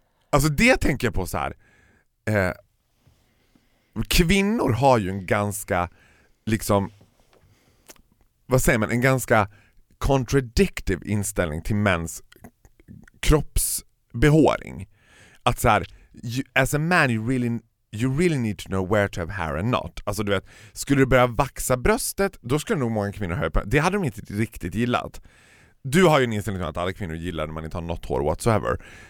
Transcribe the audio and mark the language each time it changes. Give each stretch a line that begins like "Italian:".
Swedish: Alltså det tänker jag på så här. Kvinnor har ju en ganska... liksom, vad säger man, en ganska contradictive inställning till mäns kroppsbehåring. Att så här,
English: as a man you really need to know where to have hair and not.
Swedish: Alltså du vet, skulle du börja vaxa bröstet, då skulle nog många kvinnor höja på. Det hade de inte riktigt gillat. Du har ju en inställning till att alla kvinnor gillar när man inte har något hår whatsoever.